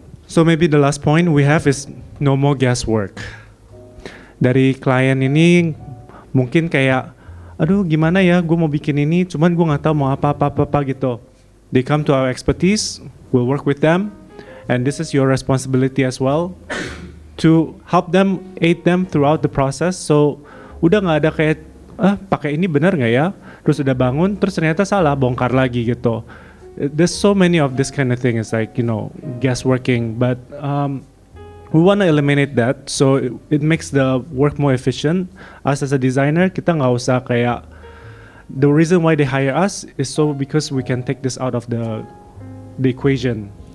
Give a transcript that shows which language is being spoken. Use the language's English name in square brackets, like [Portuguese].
[English] So maybe the last point we have is no more guesswork. [Indonesian] Dari klien ini mungkin kayak, aduh gimana ya, gue mau bikin ini, cuman gue nggak tahu mau apa gitu. [English] They come to our expertise, we'll work with them, and this is your responsibility as well to help them, aid them throughout the process. So [Indonesian] udah nggak ada kayak, pakai ini benar nggak ya? terus udah bangun, terus ternyata salah, bongkar lagi gitu. [English] There's so many of this kind of thing. It's like, you know, guessworking, but we want to eliminate that, so it makes the work more efficient. Us as a designer, [Indonesian] kita nggak usah kayak, [English] the reason why they hire us is so because we can take this out of the equation.